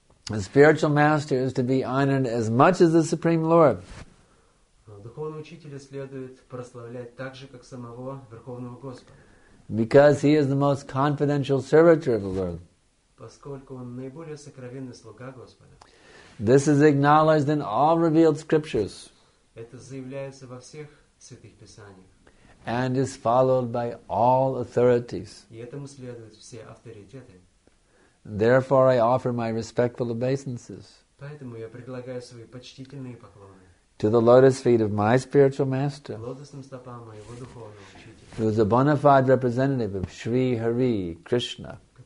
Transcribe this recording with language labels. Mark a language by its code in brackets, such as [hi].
[en] The spiritual master is to be honored as much as the Supreme Lord. [ru] Духовного учителя следует прославлять так же, как самого Верховного Господа. [en] Because he is the most confidential servitor of the Lord. [ru] Поскольку он наиболее сокровенный слуга Господа. [en] This is acknowledged in all revealed scriptures. [ru] Это заявляется во всех святых писаниях. [en] And is followed by all authorities. [ru] И этому следуют все авторитеты. [en] Therefore, I offer my respectful obeisances. [ru] Поэтому я предлагаю свои почтительные поклоны. [en] To the lotus feet of my spiritual master, who is a bona fide representative of Sri Hari Krishna.